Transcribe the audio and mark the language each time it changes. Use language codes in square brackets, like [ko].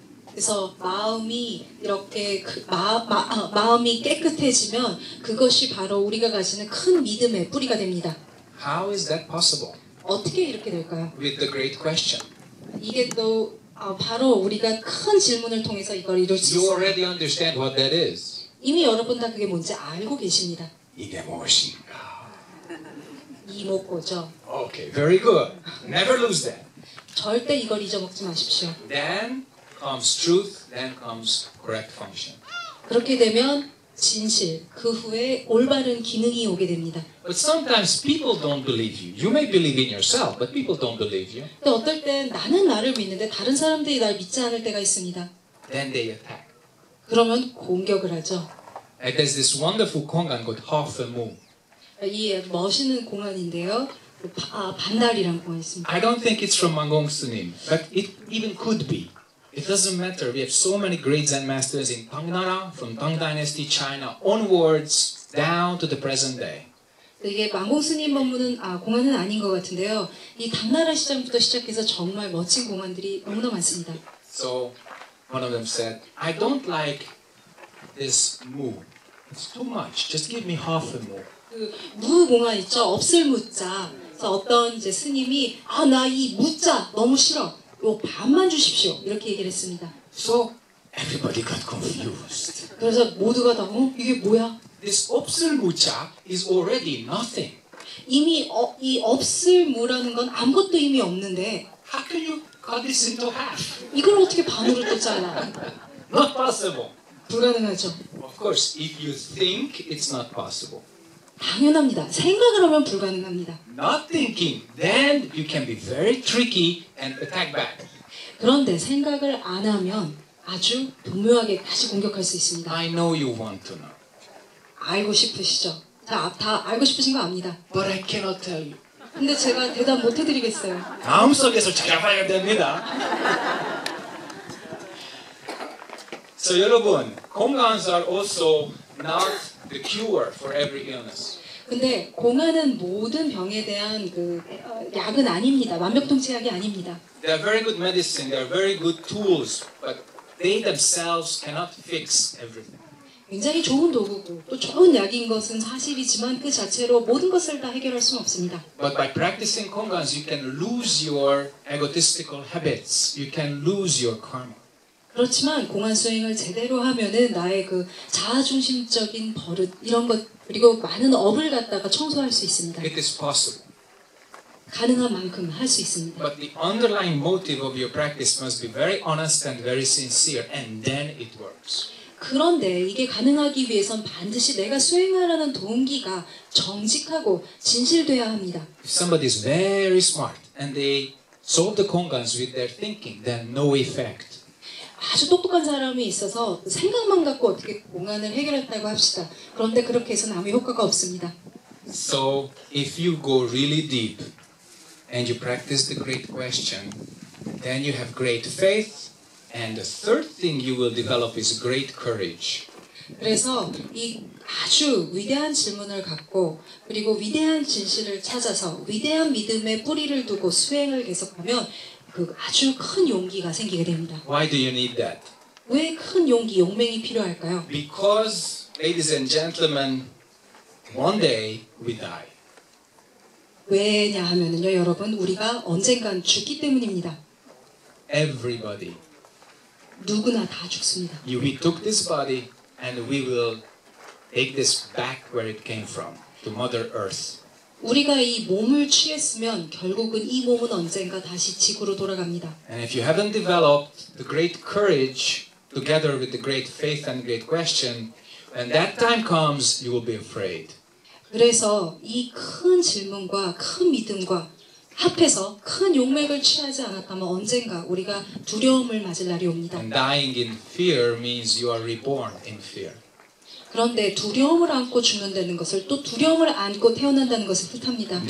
[ko] 그래서 마음이 이렇게 마음이 깨끗해지면 그것이 바로 우리가 가지는 큰 믿음의 뿌리가 됩니다. [en] How is that possible? [ko] 어떻게 이렇게 될까요? [en] With the great question. [ko] 이게 또 바로 우리가 큰 질문을 통해서 이걸 이룰 수 있어요. [en] You already understand what that is. [ko] 이미 여러분 다 그게 뭔지 알고 계십니다. 이게 무엇인가? 이목고죠. [en] Okay, very good. Never lose that. [ko] 절대 이걸 잊어먹지 마십시오. [en] Then comes truth, then comes correct function. [ko] 그렇게 되면 진실, 그 후에 올바른 기능이 오게 됩니다. [en] But sometimes people don't believe you. You may believe in yourself, but people don't believe you. [ko] 근데 어떨 땐 나는 나를 믿는데 다른 사람들이 날 믿지 않을 때가 있습니다. [en] Then they attack. [ko] 그러면 공격을 하죠. [en] And there's this wonderful Kongan called Half a Moon. [ko] 이 멋있는 공안인데요. 반달이란 공안이 있습니다. [en] I don't think it's from Mangongsunim, but it even could be. It doesn't matter. We have so many great Zen masters in Tangnara, from Tang Dynasty China onwards down to the present day. [ko] 이게 망공 스님 법문은 공안은 아닌 것 같은데요. 이 당나라 시점부터 시작해서 정말 멋진 공안들이 너무나 많습니다. [en] So one of them said, I don't like this mu. It's too much. Just give me half a mu. [ko] 그 무 공안 있죠. 없을 무자. 그래서 어떤 이제 스님이 아 나 이 무자 너무 싫어. 요 반만 주십시오. 이렇게 얘기를 했습니다. [en] So everybody got confused. [ko] 그래서 모두가 다 이게 뭐야? [en] This 없을무자 is already nothing. [ko] 이미 이 없을무라는 건 아무것도 이미 없는데 [en] How can you cut this into half? [ko] 이걸 어떻게 반으로 또 잘라? [en] Not possible. [ko] 불가능하죠. [en] Of course, if you think it's not possible. [ko] 당연합니다. 생각을 하면 불가능합니다. [en] Not thinking, then you can be very tricky and attack back. [ko] 그런데 생각을 안 하면 아주 분명하게 다시 공격할 수 있습니다. [en] I know you want to know. [ko] 알고 싶으시죠? 다 알고 싶으신 거 압니다. [en] But I cannot tell you. [ko] 근데 제가 대답 못 해드리겠어요. 마음 속에서 잡아야 됩니다. [en] So [ko] 여러분, [en] 공간 are also not the cure for every illness. [ko] 근데 공하는 모든 병에 대한 그 약은 아닙니다. 완벽통치약이 아닙니다. [en] They are very good medicine. They are very good tools, but they themselves cannot fix everything. [ko] 굉장히 좋은 도구고 또 좋은 약인 것은 사실이지만 그 자체로 모든 것을 다 해결할 수는 없습니다. [en] But by practicing Kongans, you can lose your egotistical habits. You can lose your karma. [ko] 그렇지만 공안 수행을 제대로 하면은 나의 그 자아중심적인 버릇 이런 것 그리고 많은 업을 갖다가 청소할 수 있습니다. [en] It is possible. [ko] 가능한 만큼 할 수 있습니다. [en] But the underlying motive of your practice must be very honest and very sincere, and then it works. [ko] 그런데 이게 가능하기 위해선 반드시 내가 수행하라는 동기가 정직하고 진실돼야 합니다. [en] If somebody is very smart and they solve the kongans with their thinking, then no effect. [ko] 아주 똑똑한 사람이 있어서 생각만 갖고 어떻게 공안을 해결했다고 합시다. 그런데 그렇게 해서는 아무 효과가 없습니다. [en] So if you go really deep and you practice the great question, then you have great faith. And the third thing you will develop is great courage. [ko] 그래서 이 아주 위대한 질문을 갖고 그리고 위대한 진실을 찾아서 위대한 믿음의 뿌리를 두고 수행을 계속하면 그 아주 큰 용기가 생기게 됩니다. [en] Why do you need that? [ko] 왜 큰 용기, 용맹이 필요할까요? [en] Because, ladies and gentlemen, one day we die. [ko] 왜냐 하면은요, 여러분, 우리가 언젠간 죽기 때문입니다. [en] Everybody. [ko] 누구나 다 죽습니다. [en] We took this body and we will take this back where it came from, to Mother Earth. [ko] 우리가 이 몸을 취했으면 결국은 이 몸은 언젠가 다시 지구로 돌아갑니다. [en] And if you haven't developed the great courage together with the great faith and great question, when that time comes, you will be afraid. [ko] 그래서 이 큰 질문과 큰 믿음과 합해서 큰 용맥을 취하지 않았다면 언젠가 우리가 두려움을 맞을 날이 옵니다. [en] And dying in fear means you are reborn in fear. [ko] 그런데 두려움을 안고 죽는다는 것을 또 두려움을 안고 태어난다는 것을 뜻합니다.